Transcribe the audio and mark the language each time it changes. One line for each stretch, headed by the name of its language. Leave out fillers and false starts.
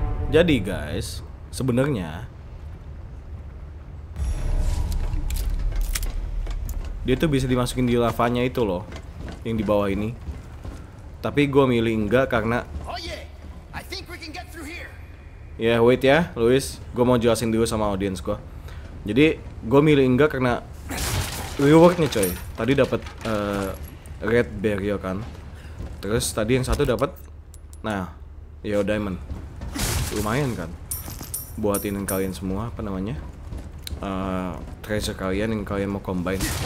Indonesian: Jadi guys, sebenarnya dia tuh bisa dimasukin di lavanya itu loh, yang di bawah ini. Tapi gue milih enggak karena.
English: Oh yeah, I think we can get through here.
Indonesian: Yeah, wait ya, Luis. Gue mau jelasin dulu sama audiens gue. Jadi gue milih enggak karena rewardnya coy. Tadi dapat red barrier kan. Terus tadi yang satu dapat, nah, yellow diamond. Lumayan kan buatin kalian semua apa namanya treasure kalian yang kalian mau combine.